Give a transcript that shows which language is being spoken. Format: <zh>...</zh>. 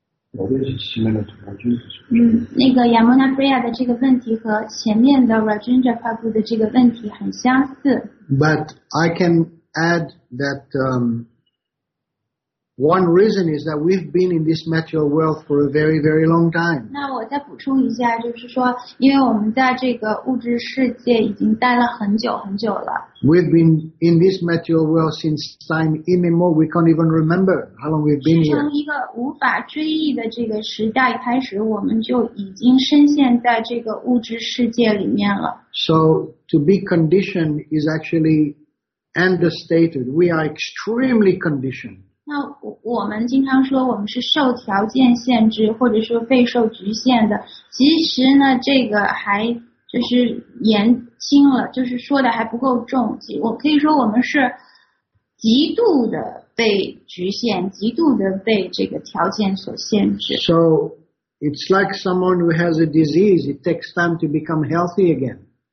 <zh>那个 Yamuna Priya 的这个问题和前面的 Rajendra Prabhu 的这个问题很相似。</zh> <en>But I can add that one reason is that we've been in this material world for a very, very long time.</en> <zh>那我再补充一下，就是说，因为我们在这个物质世界已经待了很久很久了。</zh> <en>We've been in this material world since time immemorial. We can't even remember how long we've been here.</en> <zh>从一个无法追忆的这个时代开始，我们就已经深陷在这个物质世界里面了。</zh> <en>So to be conditioned is actually understated. We are extremely conditioned.</en> <zh>那我们经常说我们是受条件限制或者说备受局限的，其实呢这个还就是言轻了，就是说的还不够重，我可以说我们是极度的被局限，极度的被这个条件所限制。</zh> <en>So it's like someone who has a disease, it takes time to become healthy again.</en>